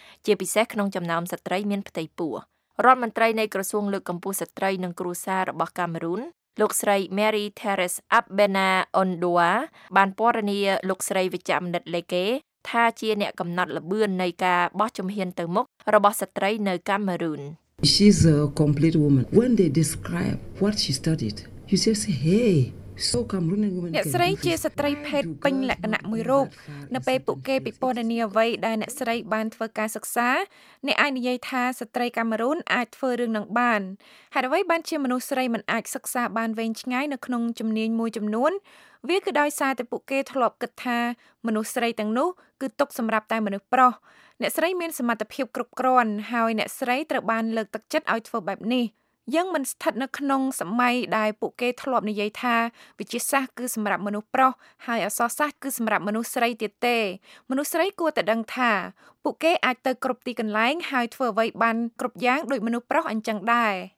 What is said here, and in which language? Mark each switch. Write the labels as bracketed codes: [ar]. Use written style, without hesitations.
[km] ជាពិសេសក្នុងចំណោមស្ត្រីមានផ្ទៃពោះរដ្ឋមន្ត្រីនៃក្រសួងលើកកម្ពស់ស្ត្រីនិងគ្រួសាររបស់កាមេរូនលោកស្រី Mary Therese Abena Ondua បានពណ៌នាលោកស្រីវិជ្ជបណ្ឌិតលេកេថាជាអ្នកកំណត់ល្បឿននៃការបោះជំហានទៅមុខរបស់ស្ត្រីនៅកាមេរូន [en] She's a complete woman. When they describe what she studied, you just say, "Hey, so Cameroonian woman." [km] អ្នកស្រីជាស្ត្រីភេទពេញលក្ខណៈមួយរូបនៅពេលពួកគេពិពណ៌នាអ្វីដែលអ្នកស្រីបានធ្វើការសិក្សាអ្នកអាចនិយាយថាស្ត្រីកាមេរូនអាចធ្វើរឿងនឹងបានហើយអ្វីបានជាមនុស្សស្រីមិនអាចសិក្សាបានវែងឆ្ងាយនៅក្នុងជំនាញមួយចំនួន វាគឺដោយសារតែពួកគេធ្លាប់គិតថាមនុស្សស្រីទាំងនោះគឺទុកសម្រាប់តែមនុស្សប្រុសអ្នកស្រីមានសមត្ថភាពគ្រប់គ្រាន់ហើយអ្នកស្រីត្រូវបានលើកទឹកចិត្តឲ្យធ្វើបែបនេះយើងមិនស្ថិតនៅក្នុងសម័យដែលពួកគេធ្លាប់និយាយថាវិទ្យាសាស្ត្រគឺសម្រាប់មនុស្សប្រុសហើយអក្សរសាស្ត្រគឺសម្រាប់មនុស្សស្រីទៀតទេមនុស្សស្រីគួរតែដឹងថាពួកគេអាចទៅគ្រប់ទីកន្លែងហើយធ្វើអ្វីបានគ្រប់យ៉ាងដោយមនុស្សប្រុសអញ្ចឹងដែរ